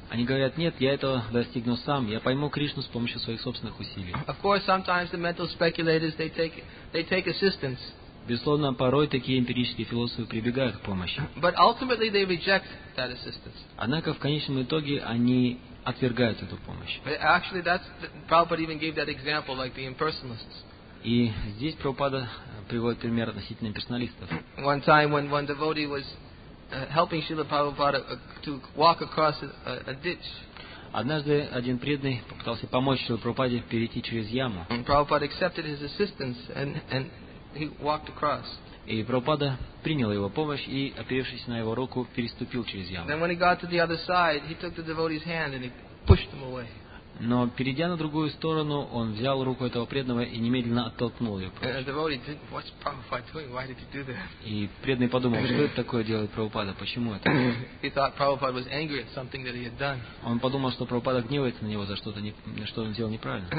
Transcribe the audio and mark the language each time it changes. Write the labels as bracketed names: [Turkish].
[Russian] Они говорят, нет, я этого достигну сам. Я пойму Кришну с помощью своих собственных усилий. [English] Of course, sometimes the mental speculators they take assistance. [Russian] Безусловно, порой такие эмпирические философы прибегают к помощи. [English] But ultimately they reject that assistance. [Russian] Однако в конечном итоге они отвергают эту помощь. [English] Actually, that's Prabhupada even gave that example like the impersonalists. [Russian] И здесь Прабхупада приводит пример относительно персоналистов. [English] One time when one devotee was helping Srila Prabhupada to walk across a ditch. [Russian] Однажды один преданный попытался помочь Шрила Прабхупаде перейти через яму. [English] And Prabhupada accepted his assistance and he walked across. [Russian] И Прабхупада принял его помощь и, оперевшись на его руку, переступил через яму. [English] Then when he got to the other side, he took the devotee's hand and he pushed him away. [Russian] Но перейдя на другую сторону, он взял руку этого преданного и немедленно оттолкнул ее прочь. И преданный подумал, что это такое делает Прабхупада, почему это? Он подумал, что Прабхупада гневается на него за что-то, что он сделал неправильно.